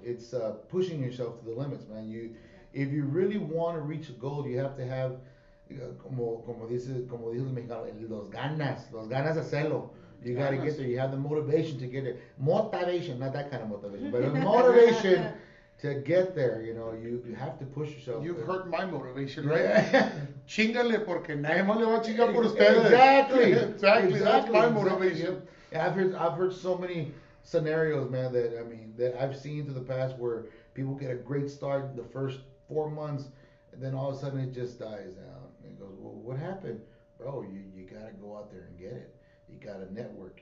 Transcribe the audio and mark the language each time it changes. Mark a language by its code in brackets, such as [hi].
[en] It's pushing yourself to the limits, man. If you really want to reach a goal, you have to have, como dice el mexicano, los ganas de hacerlo. You got to get there. You have the motivation to get there. Motivation, not that kind of motivation, but motivation to get there. You know, you have to push yourself. You've hurt my motivation, right? [es] Chingale, porque nadie más le va a chingar por ustedes. [en] Exactly. That's my motivation. I've heard so many scenarios, man, that I've seen through the past where people get a great start the first 4 months, and then all of a sudden it just dies down. And it goes, well, what happened? Bro, you gotta go out there and get it. You gotta network.